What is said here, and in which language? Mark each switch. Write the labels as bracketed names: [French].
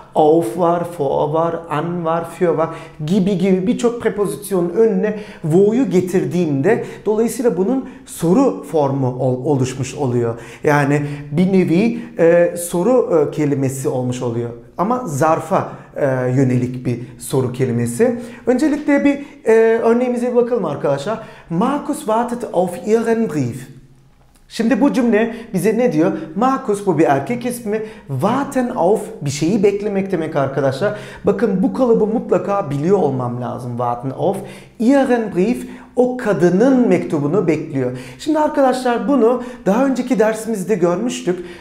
[Turkish] Auf var, vor var, an var, für var gibi gibi birçok prepozisyonun önüne wo'yu getirdiğimde dolayısıyla bunun soru formu oluşmuş oluyor. Yani bir nevi soru kelimesi olmuş oluyor. Ama zarfa yönelik bir soru kelimesi. Öncelikle bir örneğimize bir bakalım arkadaşlar. [German] Markus wartet auf ihren Brief. [Turkish] Şimdi bu cümle bize ne diyor? Markus, bu bir erkek ismi. [German] Warten auf, [Turkish] bir şeyi beklemek demek arkadaşlar. Bakın bu kalıbı mutlaka biliyor olmam lazım. [German] Warten auf ihren Brief, [Turkish] o kadının mektubunu bekliyor. Şimdi arkadaşlar bunu daha önceki dersimizde görmüştük.